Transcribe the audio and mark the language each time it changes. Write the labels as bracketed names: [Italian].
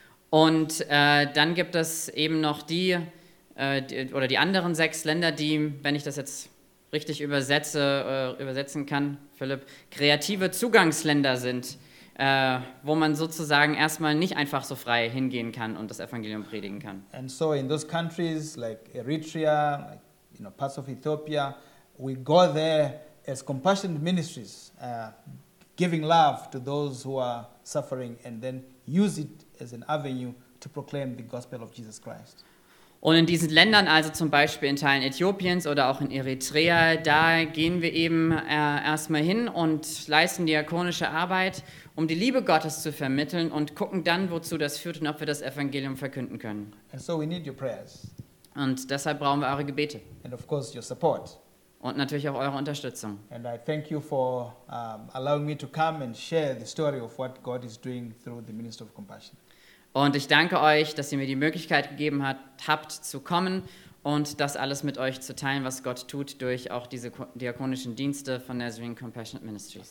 [German] Und dann gibt es eben noch die anderen sechs Länder, die, wenn ich das jetzt richtig übersetzen kann, Philipp, kreative Zugangsländer sind, wo man sozusagen erstmal nicht einfach so frei hingehen kann und das Evangelium predigen kann. [English] And so in those countries like Eritrea, like, you know, parts of Ethiopia, we go there as compassionate ministries, giving love to those who are suffering and then use it as an avenue to proclaim the gospel of Jesus Christ. [German] Und in diesen Ländern, also zum Beispiel in Teilen Äthiopiens oder auch in Eritrea, da gehen wir eben erstmal hin und leisten diakonische Arbeit, um die Liebe Gottes zu vermitteln und gucken dann, wozu das führt und ob wir das Evangelium verkünden können. [English] And so we need your prayers. [German] Und deshalb brauchen wir eure Gebete. [English] And of course your support. [German] Und natürlich auch eure Unterstützung. [English] And I thank you for allowing me to come and share the story of what God is doing through the Ministry of Compassion. [German] Und ich danke euch, dass ihr mir die Möglichkeit gegeben habt, zu kommen und das alles mit euch zu teilen, was Gott tut, durch auch diese diakonischen Dienste von Nazarene Compassionate Ministries.